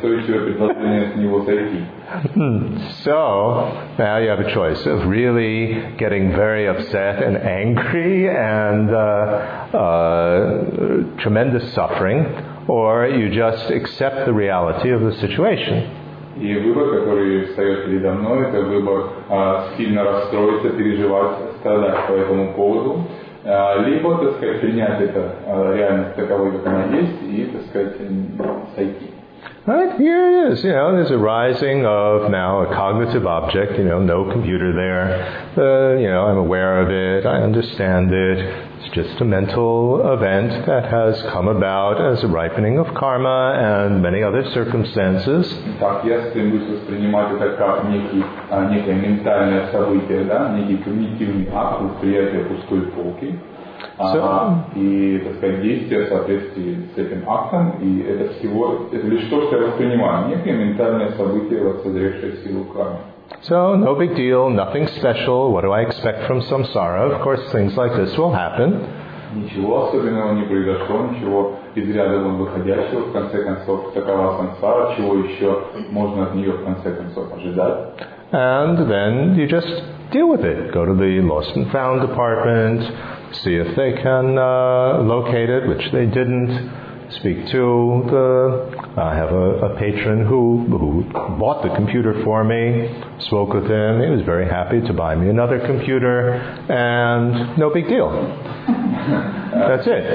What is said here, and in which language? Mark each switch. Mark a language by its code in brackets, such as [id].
[en] So, now you have a choice of really getting very upset and angry and tremendous suffering, or you just accept the reality of the situation. [ru] И выбор, который встает передо мной, это выбор сильно расстроиться, переживать, страдать по этому поводу, либо, так сказать, принять это реальность таковой, как она есть, и, так сказать, сойти. [en] Right, here it is, you know, there's a rising of now a cognitive object, you know, no computer there, you know, I'm aware of it, I understand it, it's just a mental event that has come about as a ripening of karma and many other circumstances. [ru] Так, я стремлюсь воспринимать это как некое ментальное событие, да, некий когнитивный акт восприятия пустой полки. И, так сказать, действия в соответствии с этим актом, и это всего, это лишь то, что я воспринимаю, некое ментальное событие, воцаревшее силу кармы. [en] So, no big deal, nothing special, what do I expect from samsara? Of course, things like this will happen. [ru] Ничего особенного не произошло, ничего из ряда вон выходящего, в конце концов, такова самсара, чего еще можно от нее, в конце концов, ожидать. [en] And then you just deal with it. Go to the lost and found department, see if they can locate it, which they didn't. Speak to the... I have a patron who bought the computer for me, spoke with him, he was very happy to buy me another computer, and no big deal. That's it.